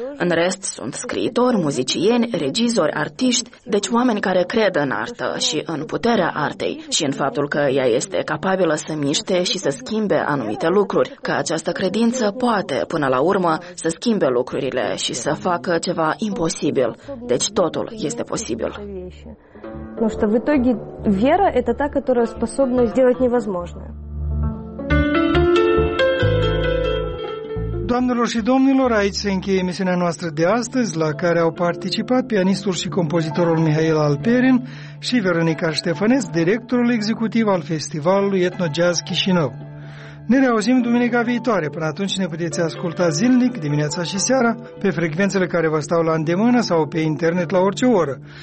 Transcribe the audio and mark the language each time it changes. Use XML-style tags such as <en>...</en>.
<ro>În rest sunt scriitori, muzicieni, regizori, artiști, deci oameni care cred în artă și în puterea artei și în faptul că ea este capabilă să miște și să schimbe anumite lucruri, că această credință poate, până la urmă, să schimbe lucrurile și să facă ceva imposibil. Deci totul este posibil.</ro> <ru>Потому что в итоге вера – это та, которая способна сделать невозможное.</ru> <ro>Doamnelor și domnilor, aici se încheie emisiunea noastră de astăzi, la care au participat pianistul și compozitorul Mihail Alperin și Veronica Ștefănesc, directorul executiv al Festivalului Etno Jazz Chișinău. Ne reauzim duminica viitoare. Până atunci ne puteți asculta zilnic, dimineața și seara, pe frecvențele care vă stau la îndemână sau pe internet la orice oră.</ro>